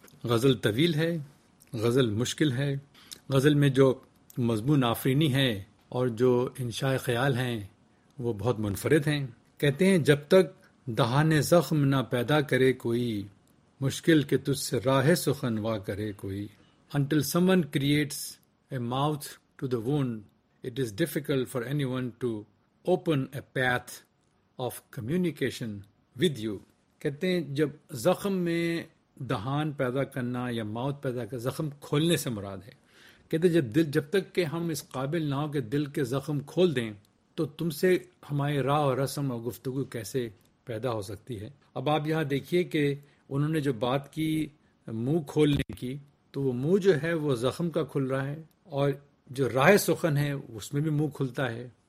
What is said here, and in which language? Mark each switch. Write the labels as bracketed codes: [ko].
[ur] غزل طویل ہے, غزل مشکل ہے. غزل میں جو مضمون آفرینی ہیں اور جو انشاء خیال ہیں وہ بہت منفرد ہیں. کہتے ہیں جب تک دہان زخم نہ پیدا کرے کوئی, مشکل کہ تجھ سے راہ سخن وا کرے کوئی. [en] Until someone creates a mouth to the wound, it is difficult for anyone to open a path of communication with you. [ur] کہتے ہیں جب زخم میں دہان پیدا کرنا یا ماؤتھ پیدا کرنا, زخم کھولنے سے مراد ہے. کہتے ہیں جب دل, جب تک کہ ہم اس قابل نہ ہو کہ دل کے زخم کھول دیں, تو تم سے ہماری راہ اور رسم اور گفتگو کیسے پیدا ہو سکتی ہے. اب آپ یہاں دیکھیے کہ انہوں نے جو بات کی منہ کھولنے کی, تو وہ منہ جو ہے وہ زخم کا کھل رہا ہے اور جو راہ سخن ہے اس میں بھی منہ کھلتا ہے.